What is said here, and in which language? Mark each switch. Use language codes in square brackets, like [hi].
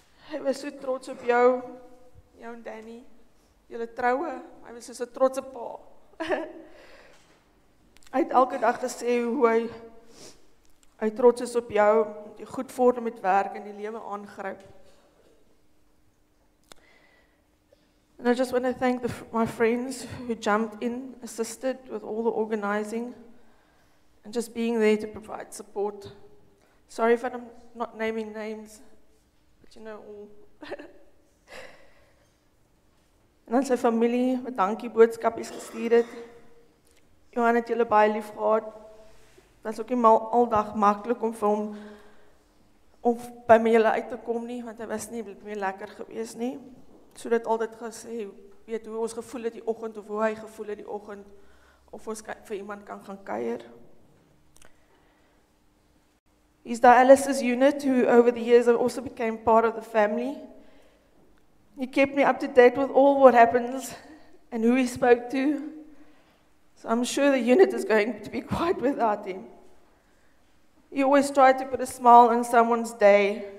[af] Hy was so trots op jou, jou en Danny, julle troue, hy was soos 'n trotse pa. Hy het elke dag gesê hoe hy trots is op jou, jy goed vorder met werk en die lewe aangryp. [en] And I just want to thank my friends who jumped in, assisted with all the organizing, and just being there to provide support. Sorry if I'm not naming names, but you know all. [af] En aan sy familie, wat dankie boodskapies gestuur het. Johan het julle baie lief gehad. Dit is ook nie al dag makkelijk om vir hom om by my julle uit te kom nie, want hy was nie meer lekker gewees nie. So dit altyd gesê, weet hoe ons gevoel het die oggend, of hoe hy gevoel het die oggend, of ons vir iemand kan gaan kuier. [en] He's dialysis unit, who over the years also became part of the family. He kept me up to date with all what happens, and who he spoke to. So I'm sure the unit is going to be quiet without him. He always tried to put a smile on someone's day,